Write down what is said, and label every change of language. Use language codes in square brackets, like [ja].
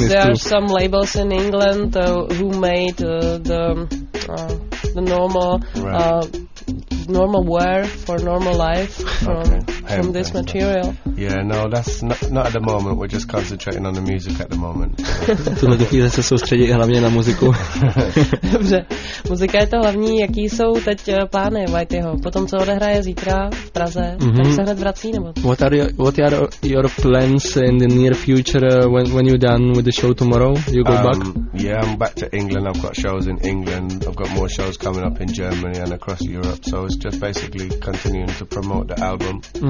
[en] Because there are some labels in England who made the normal normal wear for normal life from this material. Yeah, no, that's not at the moment. We're just concentrating on the music at the moment. [cs] Tuhle chvíli se soustředí hlavně na muziku. Dobře. Muzika je to hlavní. Jaký jsou teď plány Whiteyho? Potom, co odehraje zítra v Praze, tak se hned vrací, nebo? [en] What are your plans in the near future when you're done with the show tomorrow? You go back? Yeah, I'm back to England. I've got shows in England. I've got more shows coming up in Germany and across Europe. So it's just basically continuing to promote the album.